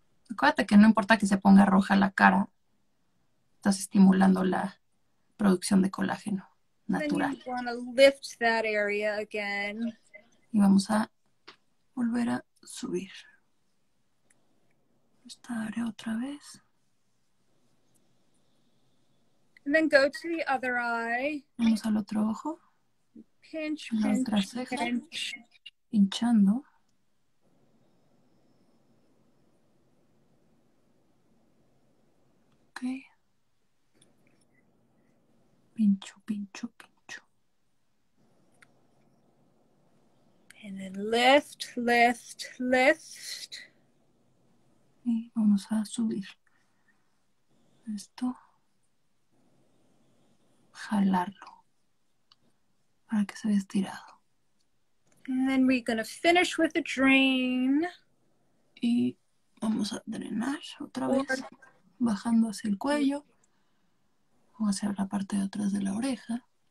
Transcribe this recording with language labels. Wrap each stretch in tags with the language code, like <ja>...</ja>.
<es>Acuérdate que no importa que se ponga roja la cara, estás estimulando la producción de colágeno natural.</es> <en>Then you want to lift that area again.</en> <es>Y vamos a volver a subir esta área otra vez.</es> <en>And then go to the other eye.</en> <es>Vamos al otro ojo.</es> <en>Pinch,</en> <es>la</es> <en>pinch,</en> <es>otra ceja.</es> <en>Pinch.</en> <es>Hinchando. Okay. Pincho, pincho, pincho.</es> <en>And then lift, lift, lift.</en> <es>Y vamos a subir esto. Jalarlo para que se vea estirado.</es> <en>And then we're going to finish with a drain.</en> <es>Y vamos a drenar otra vez. Bajando hacia el cuello o hacia la parte de atrás de la oreja.</es>